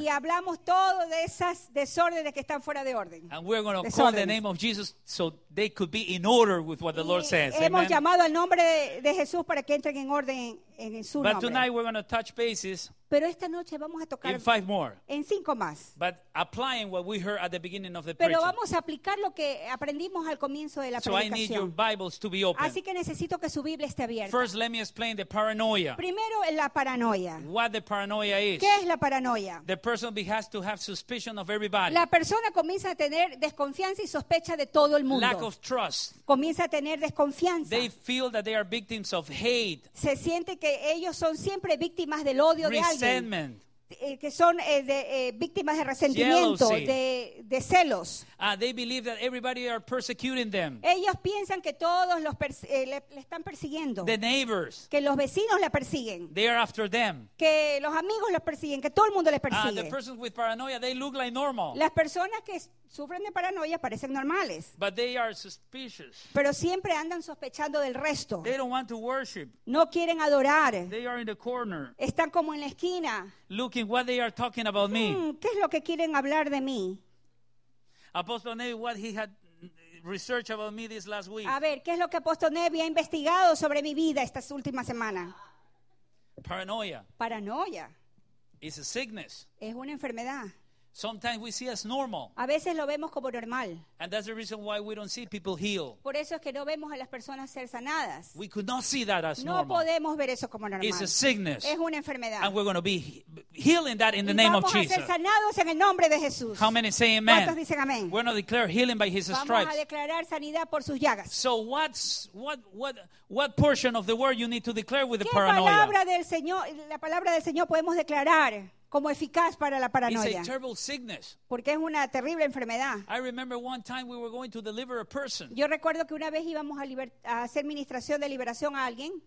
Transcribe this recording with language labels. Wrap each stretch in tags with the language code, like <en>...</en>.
<es>Y hablamos todo de esas desórdenes que están fuera de orden.</es> <en>And we're going to call the name of Jesus so they could be in order with what the Lord says.</en> <es>Hemos Llamado al nombre de Jesús para que entren en orden en su nombre.</es> <en>But tonight we're going to touch bases.</en> <es>Pero esta noche vamos a tocar</es> <en>in five more.</en> <es>En cinco más.</es> <en>But applying what we heard at the beginning of the</en> <es>Pero</es> <en>preaching.</en> <es>Pero vamos a aplicar lo que aprendimos al comienzo de la</es> <en>so</en> <es>predicación.</es> <en>So I need your Bibles to be open.</en> <es>Así que necesito que su Biblia esté abierta.</es> <en>First, let me explain the paranoia.</en> <es>Primero, la paranoia.</es> <en>What the paranoia is.</en> <es>¿Qué es la paranoia?</es> <en>The person has to have suspicion of everybody.</en> <es>La persona comienza a tener desconfianza y sospecha de todo el mundo.</es> <en>Lack of trust.</en> <es>Comienza a tener desconfianza.</es> <en>They feel that they are victims of hate.</en> <es>Se siente que ellos son siempre víctimas del odio de alguien.</es> <en>Resentment.</en> <es>Que son víctimas de resentimiento, de celos.</es> <en>They believe that everybody are persecuting them.</en> <es>Ellos piensan que todos los le están persiguiendo.</es> <en>The neighbors.</en> <es>Que los vecinos la persiguen.</es> <en>They are after them.</en> <es>Que los amigos los persiguen, que todo el mundo les persigue.</es> <en>The persons with paranoia, they look like normal.</en> <es>Las personas que sufren de paranoia parecen normales.</es> <en>But they are suspicious.</en> <es>Pero siempre andan sospechando del resto.</es> <en>They don't want to worship.</en> <es>No quieren adorar.</es> <en>They are in the corner.</en> <es>Están como en la esquina.</es> <en>Looking what they are talking about me.</en> <es>¿Qué es lo que quieren hablar de mí?</es> <en>Apostle Nevi, what he had researched about me this last week.</en> <es>A ver, ¿qué es lo que Apostle Nevi ha investigado sobre mi vida estas últimas semanas?</es> <en>Paranoia.</en> <es>Paranoia.</es> <en>It's a sickness.</en> <es>Es una enfermedad.</es> <en>Sometimes we see as normal.</en> <es>A veces lo vemos como normal.</es> <en>And that's the reason why we don't see people heal.</en> <es>Por eso es que no vemos a las personas ser sanadas.</es> <en>We could not see that as normal.</en> <es>No podemos ver eso como normal.</es> <en>It's a sickness.</en> <es>Es una enfermedad.</es> <en>And we're going to be healing that in the name of Jesus.</en> <es>Y vamos a ser sanados en el nombre de Jesús.</es> <en>How many say amen?</en> <es>¿Cuántos dicen amén?</es> <en>We're going to declare healing by his stripes.</en> <es>Vamos a declarar sanidad por sus llagas.</es> <en>So what portion of the word you need to declare with the paranoia?</en> <es>¿Qué palabra del Señor, la palabra del Señor podemos declarar como eficaz para la paranoia?</es> <en>It's a terrible sickness.</en> <es>Porque es una terrible enfermedad.</es> <en>I remember one time we were going to deliver a person.</en> <es>Yo recuerdo que una vez íbamos a hacer ministración de liberación a alguien.</es>